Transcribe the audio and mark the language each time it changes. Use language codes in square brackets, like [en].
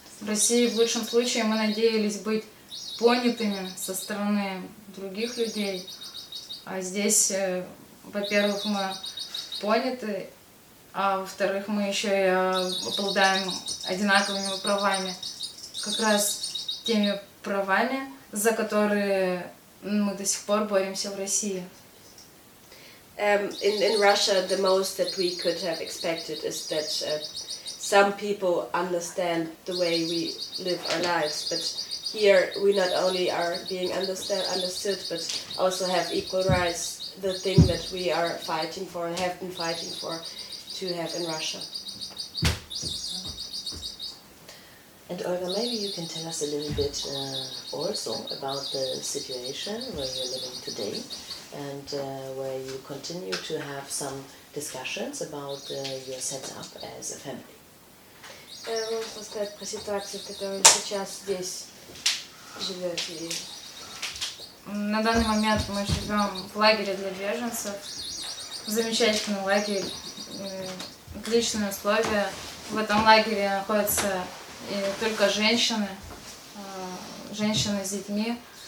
[ru] В России в лучшем случае мы надеялись быть понятыми со стороны других людей, а здесь, во-первых, мы поняты, а во-вторых, мы еще и обладаем одинаковыми правами, как раз теми правами, за которые мы до сих пор боремся в России. [en] In Russia, the most that we could have expected is that some people understand the way we live our lives, but here we not only are being understood, but also have equal rights, the thing that we are fighting for, have been fighting for, to have in Russia. And Olga, maybe you can tell us a little bit also about the situation where you're living today, and where you continue to have some discussions about your setup as a family. [ru] Рассказать про ситуацию, в которой вы сейчас здесь живете. На данный момент мы живем в лагере для беженцев. Замечательный лагерь, отличные условия. В этом лагере находятся только женщины, женщины с детьми.